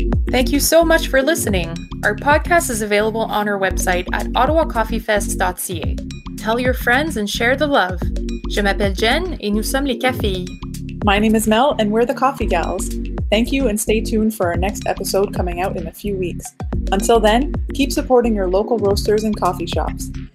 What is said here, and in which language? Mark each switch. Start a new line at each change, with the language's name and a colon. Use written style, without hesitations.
English: Thank you so much for listening. Our podcast is available on our website at ottawacoffeefest.ca. Tell your friends and share the love.
French: Je m'appelle Jen et nous sommes les cafés.
English: My name is Mel and we're the Coffee Gals. Thank you and stay tuned for our next episode coming out in a few weeks. Until then, keep supporting your local roasters and coffee shops.